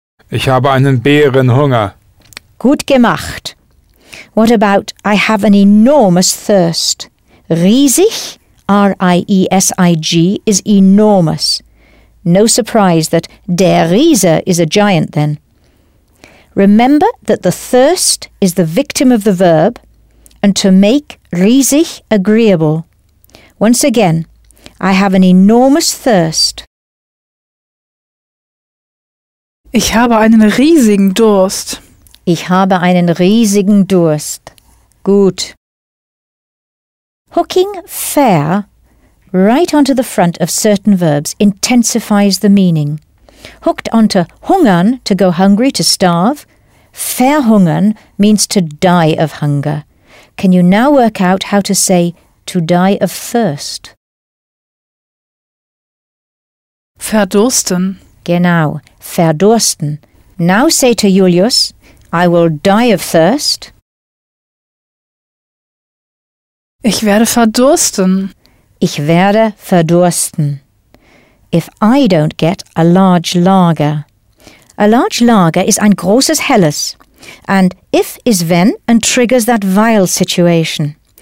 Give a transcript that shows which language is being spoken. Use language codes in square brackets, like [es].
[de] Ich habe einen Bärenhunger. Gut gemacht. [en] What about, I have an enormous thirst? Riesig? R-I-E-S-I-G is enormous. No surprise that der Riese is a giant then. Remember that the thirst is the victim of the verb and to make riesig agreeable. Once again, I have an enormous thirst. [de] Ich habe einen riesigen Durst. Ich habe einen riesigen Durst. Gut. [en] Hooking fair right onto the front of certain verbs intensifies the meaning. Hooked onto hungern, to go hungry, to starve, verhungern means to die of hunger. Can you now work out how to say to die of thirst? [de] Verdursten. Genau, verdursten. [en] Now say to Julius, I will die of thirst. [de] Ich werde verdursten. Ich werde verdursten. [en] If I don't get a large lager. A large lager is ein großes helles. And if is when and triggers that vile situation.